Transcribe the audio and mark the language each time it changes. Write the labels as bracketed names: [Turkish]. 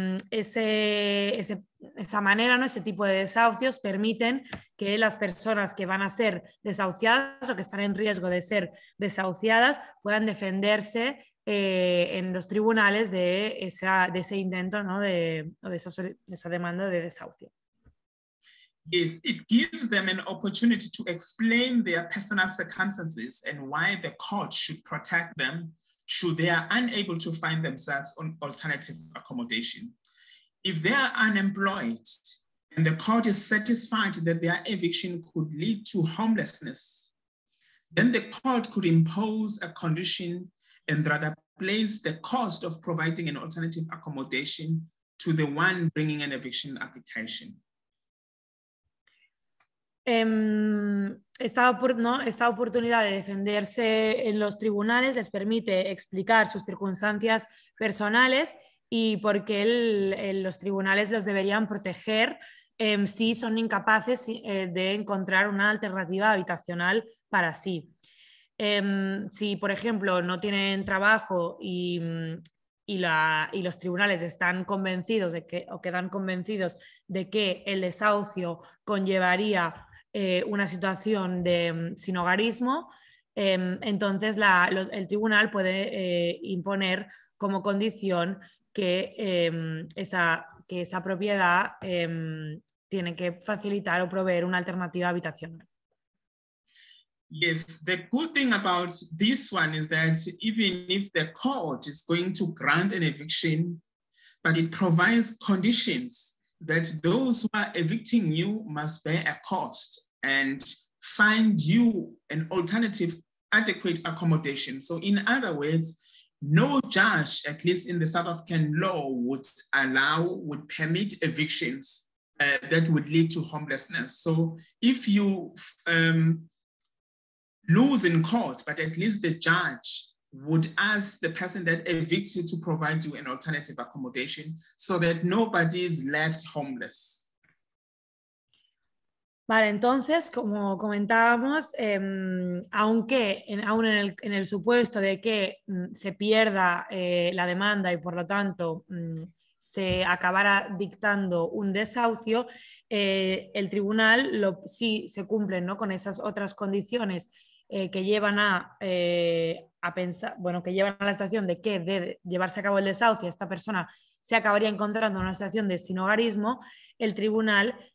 [Spanish] Esa manera, ¿no?, ese tipo de desahucios permiten que las personas que van a ser desahuciadas o que están en riesgo de ser desahuciadas puedan defenderse en los tribunales de ese intento, ¿no?, de esa demanda de desahucio. [English] Yes, it gives them an opportunity to explain their personal circumstances and why the court should protect them should they are unable to find themselves on alternative accommodation. If they are unemployed and the court is satisfied that their eviction could lead to homelessness, then the court could impose a condition and rather place the cost of providing an alternative accommodation to the one bringing an eviction application. [Spanish] Esta oportunidad de defenderse en los tribunales les permite explicar sus circunstancias personales y por qué los tribunales los deberían proteger si son incapaces de encontrar una alternativa habitacional para sí. Si, por ejemplo, no tienen trabajo y los tribunales están convencidos de que, o quedan convencidos de que el desahucio conllevaría una situación de sinhogarismo, entonces el tribunal puede imponer como condición que esa propiedad tiene que facilitar o proveer una alternativa habitacional. [English] Yes, the good thing about this one is that even if the court is going to grant an eviction, but it provides conditions that those who are evicting you must bear a cost and find you an alternative adequate accommodation. So in other words, no judge, at least in the South African law, would permit evictions that would lead to homelessness. So if you lose in court, but at least the judge would ask the person that evicts you to provide you an alternative accommodation so that nobody is left homeless. [Spanish] Vale, entonces, como comentábamos, aunque en el supuesto de que se pierda la demanda y por lo tanto se acabara dictando un desahucio, el tribunal, si se cumplen, ¿no?, con esas otras condiciones que llevan a la situación de que de llevarse a cabo el desahucio esta persona se acabaría encontrando en una situación de sinhogarismo, el tribunal